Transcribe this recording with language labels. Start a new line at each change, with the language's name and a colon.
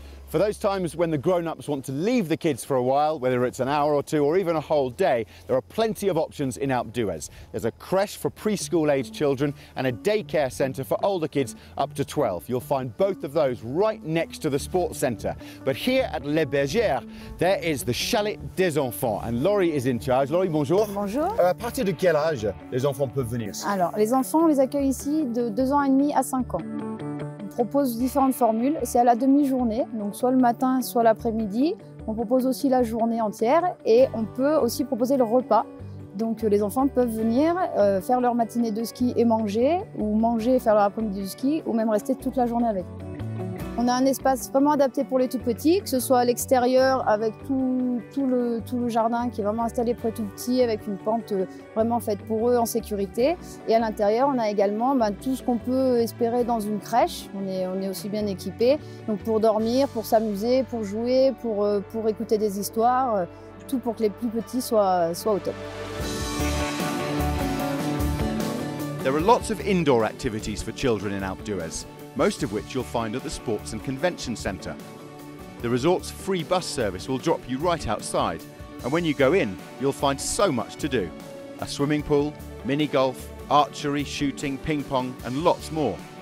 English: For those times when the grown-ups want to leave the kids for a while, whether it's an hour or two or even a whole day, there are plenty of options in Alpe d'Huez. There's a creche for preschool-aged children and a daycare centre for older kids up to 12. You'll find both of those right next to the sports centre. But here at Les Bergères, there is the Chalet des Enfants, and Laurie is in charge.
French: Laurie, bonjour. Bonjour. À partir de quel âge les enfants peuvent venir? Alors, les enfants, on les accueille ici de 2 ans et demi à 5 ans. On propose différentes formules, c'est à la demi-journée, donc soit le matin, soit l'après-midi. On propose aussi la journée entière et on peut aussi proposer le repas. Donc les enfants peuvent venir faire leur matinée de ski et manger, ou manger et faire leur après-midi de ski, ou même rester toute la journée avec. On a un espace vraiment adapté pour les tout-petits, que ce soit à l'extérieur avec tout le jardin qui est vraiment installé pour les tout-petits, avec une pente vraiment faite pour eux en sécurité. Et à l'intérieur, on a également tout ce qu'on peut espérer dans une crèche. On est aussi bien équipé pour dormir, pour s'amuser, pour jouer, pour écouter des histoires, tout pour que les plus petits soient au top.
English: There are lots of indoor activities for children in Alpe d'Huez, most of which you'll find at the Sports and Convention Centre. The resort's free bus service will drop you right outside, and when you go in, you'll find so much to do. A swimming pool, mini golf, archery, shooting, ping pong, and lots more.